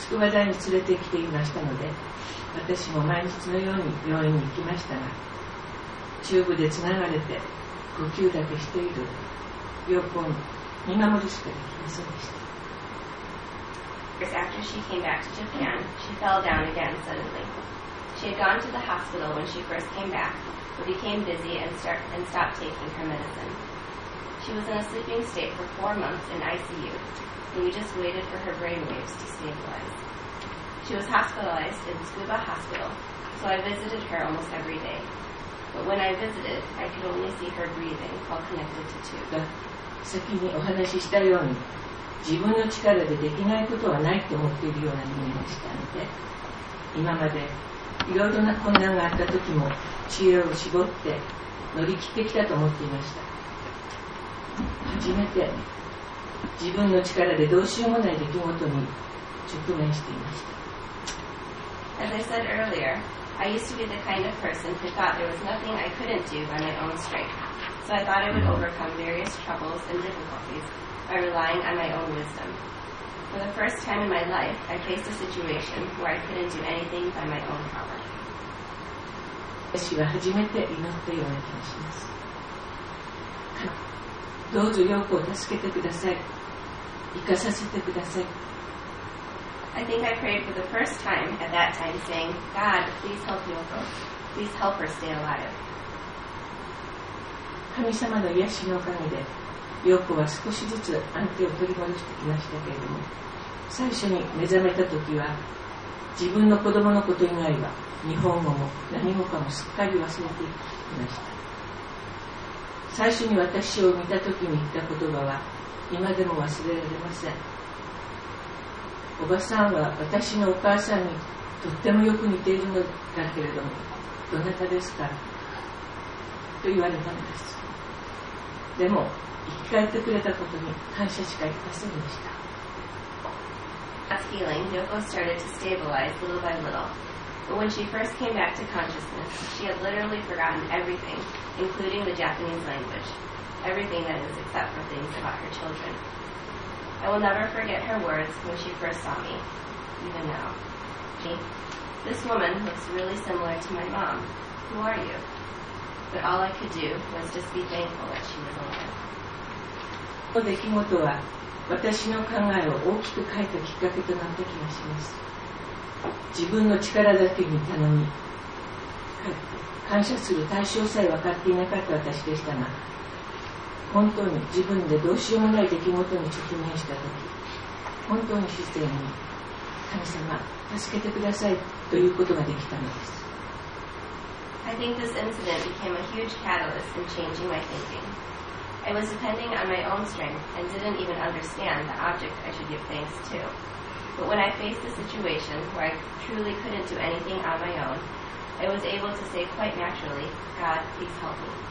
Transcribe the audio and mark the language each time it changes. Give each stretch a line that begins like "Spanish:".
Japanese: 筑波大に連れてきていましたので、私も毎日のように病院に行きましたが、チューブでつながれて呼吸だけしている陽子を見守るしかできませんでした。
English: After she came back to Japan, she fell down again suddenly. She had gone to the hospital when she first came back, but became busy and stopped taking her medicine. She was in a sleeping state for 4 months in ICU, and we just waited for her brain waves to stabilize. She was hospitalized in Scuba Hospital, so I visited her almost every day. But when I visited, I could only see her breathing while connected to tube.
Japanese: 先にお話ししたように、自分の力でできないことはないと思っているような人間でしたので、今までいろいろな困難があった時も知恵を絞って乗り切ってきたと思っていました。初めて自分の力でどうしようもない出来事に直面していました。
English: As I said earlier, I used to be the kind of person who thought there was nothing I couldn't do by my own strength. So I thought I would overcome various troubles and difficulties by relying on my own wisdom. For the first time in my life, I faced a situation where I couldn't do anything by my own power.
Japanese: 私は初めて祈ったような気がします。どうぞ陽子を助けてください。生かさせてください。
English: I think I prayed for the first time at that time saying, God, please help Yoko. Please help her stay alive.
Japanese: 神様の癒しのおかげで、陽子は少しずつ安定を取り戻してきましたけれども、最初に目覚めた時は、自分の子供のこと以外は、日本語も何もかもすっかり忘れていました。最初に私を見た時に言った言葉は、今でも忘れられません。おばさんは私のお母さんにとってもよく似ているのだけれども、どなたですか?と言われたのです。でも、生き返ってくれたことに感謝しかありませんでした。
English: As healing, Yoko started to stabilize little by little. But when she first came back to consciousness, she had literally forgotten everything, including the Japanese language. Everything that is except for things about her children. I will never forget her words when she first saw me, even now. This woman looks really similar to my mom. Who are you? But all I could do was just be thankful that she was alive.
Japanese: この出来事は私の考えを大きく変えたきっかけとなった気がします。自分の力だけに頼み、感謝する対象さえ分かっていなかった私でしたが、本当に自分でどうしようもない出来事に直面したとき、本当に自然に神様、助けてくださいということができたのです。
English: I think this incident became a huge catalyst in changing my thinking. I was depending on my own strength and didn't even understand the object I should give thanks to. But when I faced a situation where I truly couldn't do anything on my own, I was able to say quite naturally, God, please help me.